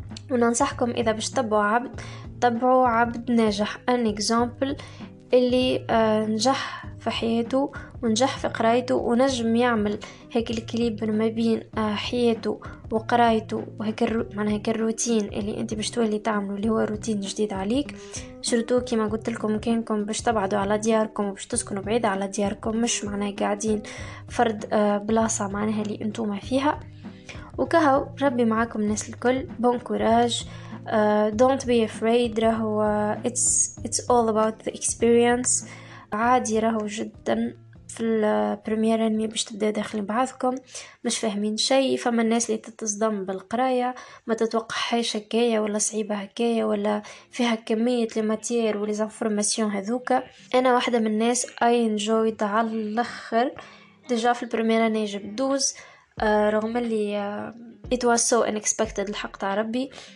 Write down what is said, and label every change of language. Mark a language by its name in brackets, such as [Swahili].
[Arabic] وننصحكم اذا باش تتبعوا عبد, تبعوا عبد ناجح, [French] ان اكزامبل [Arabic] اللي نجح في حياته ونجح في قرايته ونجم يعمل هيك الكليب ما بين حياته وقرايته, وهيك معناها هيك الروتين اللي انت باش تولي تعمله اللي هو روتين جديد عليك. شرطو كيما قلت لكم كانكم باش تبعدوا على دياركم وباش تسكنوا بعيد على دياركم, مش معناها قاعدين فرد بلاصه معناها اللي انتم ما فيها. وكهو ربي معاكم الناس الكل, [French] بون كوراج. [English] Don't be afraid, [Arabic] راهو [English] it's all about the experience. [Arabic] عادي راهو جدا في [French] البريمير اني [Arabic] باش تبدا داخلين بعضكم مش فاهمين شيء, فما الناس اللي تتصدم بالقراية, ما تتوقعهاش هكايا ولا صعيبة هكايا ولا فيها كمية الماتير والزانفورماسيون هذوكا. انا واحدة من الناس [English] I enjoyed [Arabic] على الاخر [French] ديجا في البريمير اني [Arabic] جب دوز, رغم اللي [English] it was so unexpected [Arabic] الحق تاع ربي.